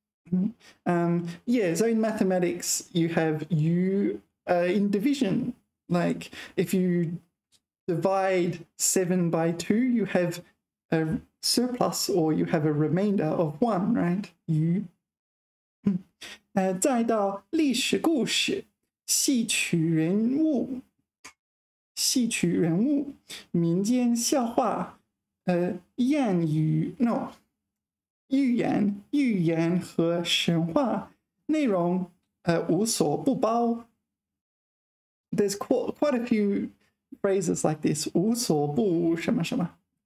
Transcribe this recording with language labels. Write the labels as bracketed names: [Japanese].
[English] Yeah, so in mathematics, you have 余 in division. Like if you divide 7 by 2, you have a surplus or you have a remainder of 1, right? [Chinese] 余. 再到历史故事戏曲人物. 戏曲人物, 民间笑话, 谚语, no, 预言, 预言和神话, 内容, 无所不包. [English] There's quite a few phrases like this, [Chinese] 无所不什么什么,